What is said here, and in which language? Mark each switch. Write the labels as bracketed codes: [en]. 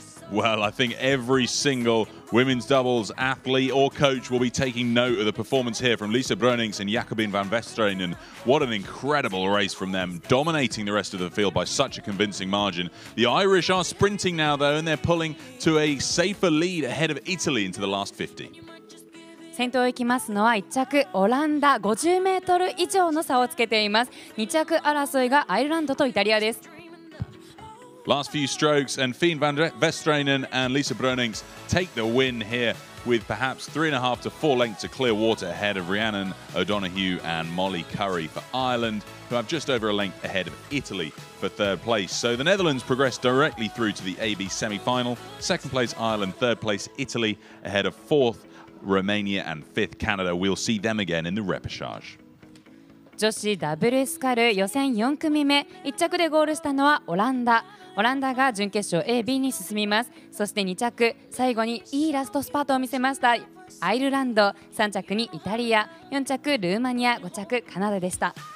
[en] Well, I think every single women's doubles athlete or coach will be taking note of the performance here from Lisa Bronings and Jacobine van Vesteren. And what an incredible race from them, dominating the rest of the field by such a convincing margin. The Irish are sprinting now, though, and they're pulling to a safer lead ahead of Italy into the last 50. [ja] 先頭を行きますのは1着オランダ、50メートル以上の差をつけています。 2着争いがアイルランドとイタリアです。 [en] Last few strokes, and Fien van Vesteren and Lisa Bronings take the win here with perhaps 3.5 to 4 lengths of clear water ahead of Rhiannon O'Donoghue and Molly Curry for Ireland, who have just over a length ahead of Italy for third place. So the Netherlands progress directly through to the AB semi-final. Second place Ireland, third place Italy, ahead of fourth Romania and fifth Canada. We'll see them again in the repechage. [ja] 女子ダブルスカル予選4組目1着でゴールしたのはオランダ。オランダが準決勝 AB に進みます。そして2着最後にいいラストスパートを見せましたアイルランド、3着にイタリア、4着ルーマニア、5着カナダでした。